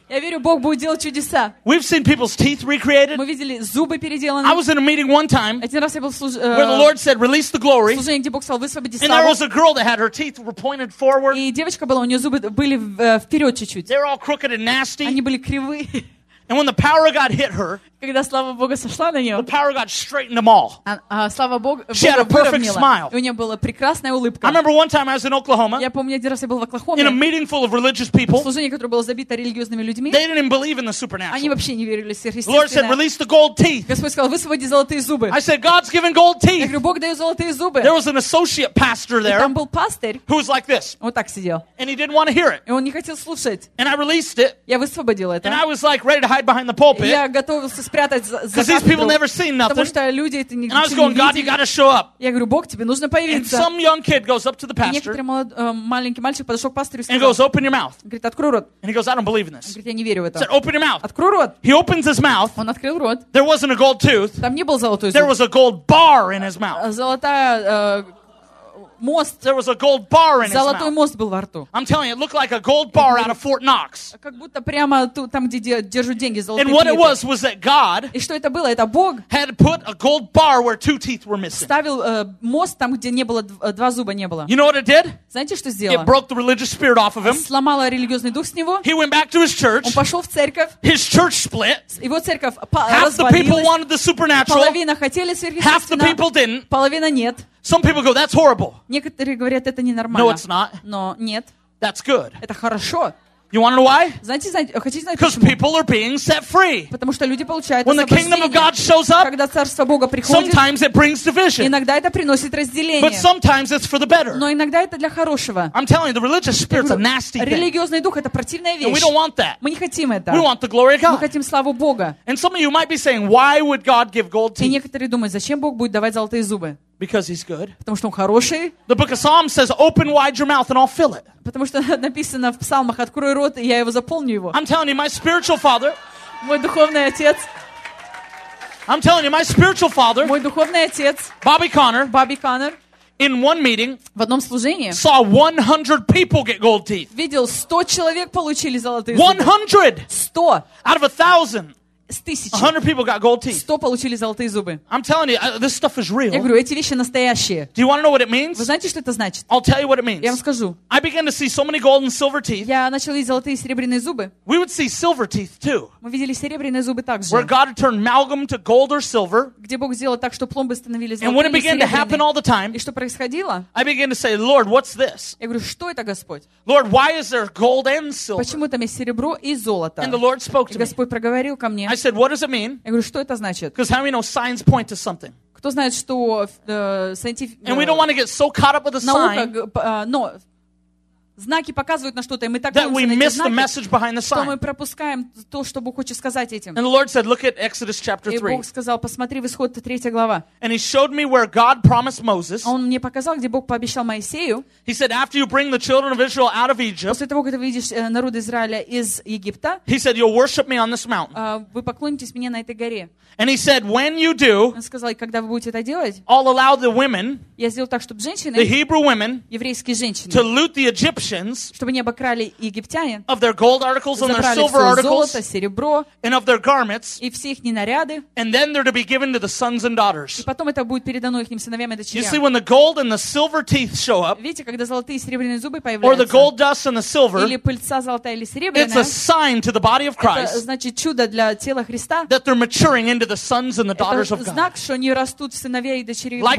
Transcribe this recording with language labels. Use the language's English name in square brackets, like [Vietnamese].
[Russian] Я верю, Бог будет делать чудеса. [English] We've seen people's teeth recreated. [Russian] Мы видели зубы переделаны. [English] I was in a meeting one time. [Russian] Один раз я был [English] where the Lord said, release the glory. [Russian] Служение, где Бог сказал, высвободи славу. [English] And there was a girl that had her teeth pointed forward. [Russian] И девочка была, у нее зубы были вперед чуть-чуть. [English] They're all crooked and nasty. [Russian] Они были кривые. [English] And when the power of God hit her, [Russian] когда слава Богу сошла на нее, [English] the power of God straightened them all. [Russian] Слава Богу, [English] she had a perfect smile. [Russian] И у нее была прекрасная улыбка. [English] I remember one time I was in Oklahoma. [Russian] Я помню, один раз я был в Оклахоме. [English] In a meeting full of religious people. [Russian] Служение, которое было забито религиозными людьми. [English] They didn't even believe in the supernatural. [Russian] Они вообще не верили в сверхъестественное. [English] Lord said, release the gold teeth. [Russian] Господь сказал, высвободи золотые зубы. [English] I said, God's given gold teeth. [Russian] Я говорю, Бог дает золотые зубы. [English] There was an associate pastor there. [Russian] И там был пастырь. [English] Who was like this? [Russian] Вот так сидел. [English] And he didn't want to hear it. [Russian] И он не хотел слушать. [English] And I released it. [Russian] Я высвободил это. [English] And I was like ready to hide behind the pulpit. [Russian] Я готовился спрятать за кафедру. [English] These people never seen nothing. [Russian] Потому что люди это не видели. [English] And I was going, God, you got to show up. [Russian] Я говорю, Бог, тебе нужно появиться. [English] And some young kid goes up to the pastor. [Russian] Некоторый маленький мальчик подошел к пастору и сказал. [English] And goes, open your mouth. [Russian] Говорит, открой рот. [English] And he goes, I don't believe in this. [Russian] Говорит, я не верю в это. [English] Said, open your mouth. [Russian] Открой рот. [English] He opens his mouth. [Russian] Он открыл рот. [English] There wasn't a gold tooth. [Russian] Там не был золотой зуб. [English] There was a gold bar in his mouth. [Russian] Золотая мост. [English] There was a gold bar in [Russian] Золотой [English] his mouth. [Russian] Мост был во рту. [English] I'm telling you, it looked like a gold bar out of Fort Knox. [Russian] Как будто прямо ту, там, где держат деньги, золотые. [English] And what it was that God. [Russian] И что это было? Это Бог. [English] Had put a gold bar where two teeth were missing. [Russian] Ставил мост там, где не было два зуба не было. [English] You know what it did? [Russian] Знаете, что сделало? [English] It broke the religious spirit off of him. [Russian] Сломало религиозный дух с него. [English] He went back to his church. [Russian] Он пошел в церковь. [English] His church split. [Russian] Его церковь развалилась. [English] Half the people wanted the supernatural. [Russian] Половина хотели сверхъестественное. [English] Half the people didn't. [Russian] Половина нет. [English] Some people go, that's horrible. [Russian] Некоторые говорят, это ненормально. [English] No, it's not. [Russian] Но нет. [English] That's good. [Russian] Это хорошо. [English] You want to know why? [Russian] Хотите знать, [English] because people are being set free. [Russian] Потому что люди получают освобождение. [English] When the kingdom of God shows up, [Russian] когда царство Бога приходит, [English] sometimes it brings division. [Russian] Иногда это приносит разделение. [English] But sometimes it's for the better. [Russian] Но иногда это для хорошего. [English] I'm telling you, the religious spirit's a nasty thing. [Russian] Религиозный дух это противная вещь. [English] And we don't want that. [Russian] Мы не хотим это. [English] We want the glory of God. [Russian] Мы хотим славу Бога. [English] And some of you might be saying, why would God give gold teeth? [Russian] И некоторые думают, зачем Бог будет давать золотые зубы? [English] Because he's good. [Russian] Потому что он хороший. [English] The book of Psalms says, open wide your mouth and I'll fill it. [Russian] Потому что написано в Псалмах, открой рот, и я его заполню его. [English] I'm telling you, my spiritual father. [Russian] Мой духовный отец. [English] I'm telling you, my spiritual father. [Russian] Мой духовный отец. [English] Bobby Connor. In one meeting. [Russian] В одном служении. [English] Saw 100 people get gold teeth. [Russian] Видел, 100 человек получили золотые зубы. [English] 100. [Russian] 100. [English] Out of 1,000. 100 people got gold teeth. [Russian] 100 получили золотые зубы. [English] I'm telling you, this stuff is real. [Russian] Я говорю, эти вещи настоящие. [English] Do you want to know what it means? [Russian] Вы знаете, что это значит? [English] I'll tell you what it means. [Russian] Я вам скажу. [English] I began to see so many gold and silver teeth. [Russian] Я начал видеть золотые и серебряные зубы. [English] We would see silver teeth too. [Russian] Мы видели серебряные зубы также. [English] Where God turned amalgam to gold or silver. [Russian] Где Бог сделал так, что пломбы становились золотыми. [English] And when it began to happen all the time. [Russian] И что происходило? [English] I began to say, Lord, what's this? [Russian] Я говорю, что это, Господь? [English] Lord, why is there gold and silver? [Russian] Почему там есть серебро и золото? [English] And the Lord spoke to me. [Russian] Господь проговорил ко мне. [English] I said, "What does it mean?" [Russian] Я говорю, что это значит? [English] Because how many know signs point to something? [Russian] Кто знает, что [English] And we don't want to get so caught up with the [Russian] наука, [English] sign. [Russian] Но знаки показывают на что-то, и мы так [English] that we miss the message behind the sign. [Russian] Что мы пропускаем то, что Бог хочет сказать этим. [English] And the Lord said, "Look at Exodus chapter 3." [Russian] И Бог сказал, посмотри в Исход 3 глава. [English] And He showed me where God promised Moses. [Russian] Он мне показал, где Бог пообещал Моисею. [English] He said, "After you bring the children of Israel out of Egypt." [Russian] После того, как ты выведешь народ Израиля из Египта. [English] He said, "You'll worship me on this mountain." [Russian] Вы поклонитесь мне на этой горе. [English] And He said, "When you do." [Russian] Он сказал, когда вы будете это делать. [English] I'll allow the women. [Russian] Я сделаю так, чтобы женщины. [English] The Hebrew women. [Russian] Еврейские женщины. [English] To loot the Egyptians. [Russian] Чтобы не обокрали египтяне, [English] of their gold articles and their silver articles, [Russian] золото, серебро, [English] and of their garments, [Russian] и все их наряды, [English] and then they're to be given to the sons and daughters. [Russian] И потом это будет передано их сыновьям и дочерям. [English] You see, when the gold and the silver teeth show up, [Russian] видите, когда золотые и серебряные зубы появляются, [English] or the gold dust and the silver, [Russian] или пыльца золотая или серебряная, [English] it's a sign to the body of Christ. [Russian] Это значит чудо для тела Христа. [English] That they're maturing into the sons and the daughters of God. [Russian] Это знак, что они растут в сыновья и дочерей Божьих.